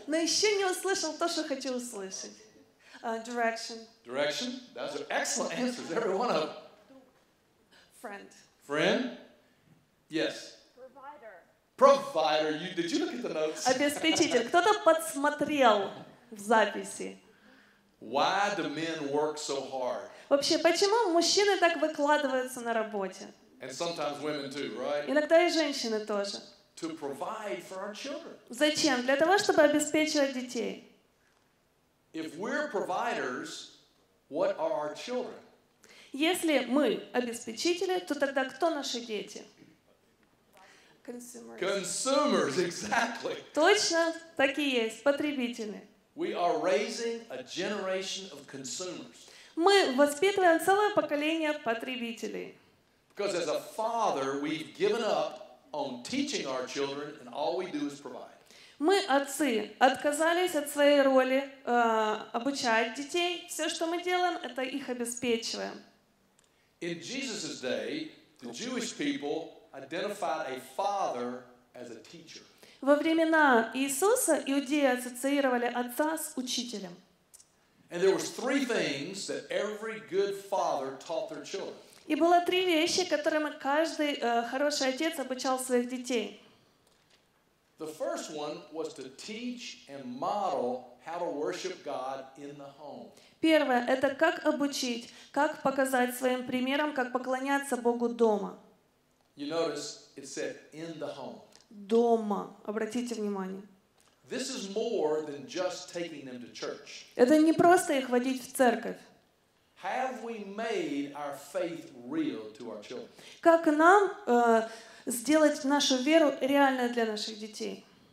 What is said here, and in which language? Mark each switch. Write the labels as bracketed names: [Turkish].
[Russian] Но еще не услышал то, что хочу услышать. [English] Direction. Direction. Those are excellent answers, every one of them. Friend. Friend. Yes. Provider. Provider. Did you look at the notes? [Russian] Обеспечитель. Кто-то подсмотрел в записи. [English] Why do men work so hard? [Russian] Вообще, почему мужчины так выкладываются на работе? [English] And sometimes women too, right? [Russian] Иногда и женщины тоже. [English] To provide for our children. [Russian] Зачем? Для того, чтобы обеспечивать детей. [English] If we're providers, what are our children? [Russian] Если мы обеспечители, то тогда кто наши дети? [English] Consumers. Consumers, exactly. [Russian] Точно так и есть, потребители. [English] We are raising a generation of consumers. [Russian] Мы воспитываем целое поколение потребителей. [English] Because as a father, we've given up on teaching our children, and all we do is provide. [Russian] Мы, отцы, отказались от своей роли обучать детей. Все, что мы делаем, это их обеспечиваем. [English] In Jesus' day, the Jewish people identified a father as a teacher. [Russian] Во времена Иисуса иудеи ассоциировали отца с учителем. [English] And there were three things that every good father taught their children. [Russian] И было три вещи, которыми каждый хороший отец обучал своих детей. [English] The first one was to teach and model how to worship God in the home. [Russian] Первое — это как обучить, как показать своим примером, как поклоняться Богу дома. [English] You notice it said in the home. [Russian] Дома. Обратите внимание. [English] This is more than just taking them to church. [Russian] Это не просто их водить в церковь. [English] Have we made our faith real to our children? [Russian] Как нам сделать нашу веру реальной для наших детей?